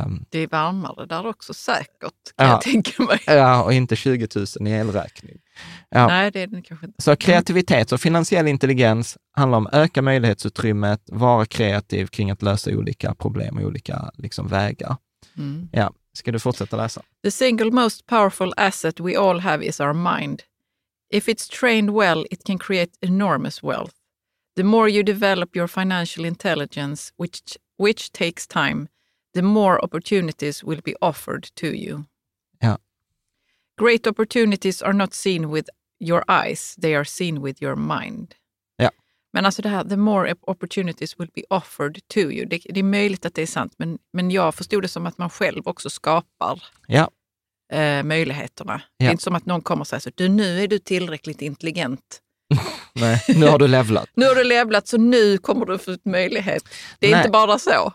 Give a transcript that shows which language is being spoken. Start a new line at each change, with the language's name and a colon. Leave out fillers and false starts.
Swedish: Det är varmare där också säkert, kan jag tänka mig. Ja, och inte 20 000 i elräkning. Ja. Nej, det är den kanske inte. Så kreativitet och finansiell intelligens handlar om öka möjlighetsutrymmet, vara kreativ kring att lösa olika problem och olika liksom vägar. Mm. Ja. Ska du fortsätta läsa?
English: The single most powerful asset we all have is our mind. If it's trained well, it can create enormous wealth. The more you develop your financial intelligence, which takes time, the more opportunities will be offered to you. Yeah. Great opportunities are not seen with your eyes, they are seen with your mind. Yeah.
Swedish: Men alltså det här,
English: the more opportunities will be offered to you.
Swedish: Det är möjligt att det är sant, men jag förstod det som att man själv också skapar möjligheterna. Ja. Det är inte som att någon kommer och säger så, nu är du tillräckligt intelligent. Nej, nu har du levlat. Nu har du levlat, så nu kommer du få ut möjlighet. Det är Nej. Inte bara så.